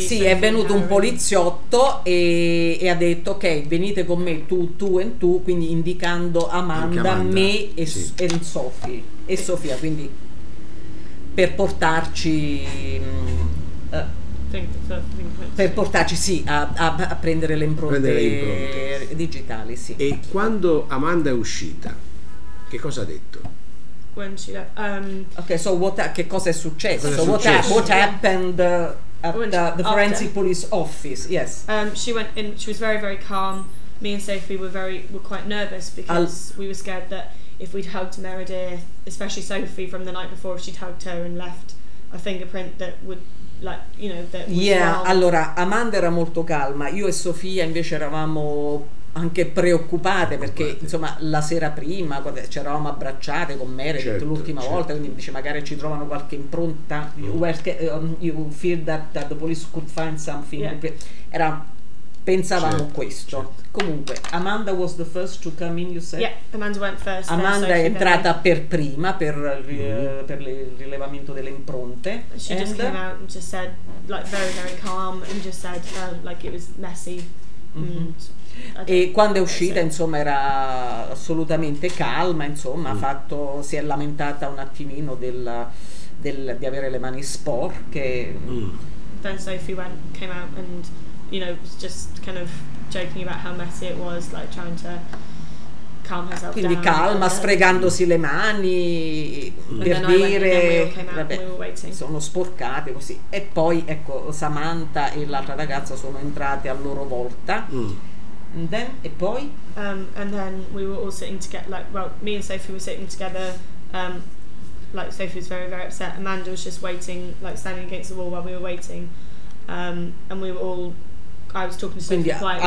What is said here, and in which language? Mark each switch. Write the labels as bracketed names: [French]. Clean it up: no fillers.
[Italian] Sì, è venuto un poliziotto e ha detto ok, venite con me tu e tu, quindi indicando Amanda. Me e and Sophie e Sofia, quindi per portarci per portarci sì a prendere le impronte, digitali, sì. E quando Amanda è uscita, che cosa ha detto? [English] When she [Italian] okay, so che cosa è successo? Cosa [English] so [Italian] è successo? [English] What happened at the forensic police office? Yes. She went in. She was very, very calm. Me and Sophie were quite nervous because we were scared that if we'd hugged Meredith, especially Sophie from the night before, if she'd hugged her and left a fingerprint that would, like, you know, that. Would yeah. Well. [Italian] Allora, Amanda era molto calma. Io e Sofia invece eravamo anche preoccupate perché insomma la sera prima ci eravamo abbracciate con Meredith l'ultima volta, quindi dice magari ci trovano qualche impronta. [English] You fear that the police could find something. Yeah. [Italian] Era pensavamo questo. Certo. Comunque [English] Amanda was the first to come in, you said? Yeah, Amanda went first. [Italian] Amanda [English] so [Italian] è entrata per prima per il rilevamento delle impronte. [English] She just came out and just said like very very calm and just said like it was messy. [Italian] E quando è uscita, insomma, era assolutamente calma, insomma, ha fatto, si è lamentata un attimino di avere le mani sporche. [English] Then Sophie came out and, you know, was just kind of joking about how messy it was, like trying to calm herself down. [Italian] Quindi calma, sfregandosi le mani, per dire, vabbè, sono sporcate, così. E poi, ecco, Samantha e l'altra ragazza sono entrate a loro volta. [English] And then And then we were all sitting together, like, well, me and Sophie were sitting together, like, Sophie was very, very upset. Amanda was just waiting, like, standing against the wall while we were waiting. And we were all, I was talking to Sophie quietly.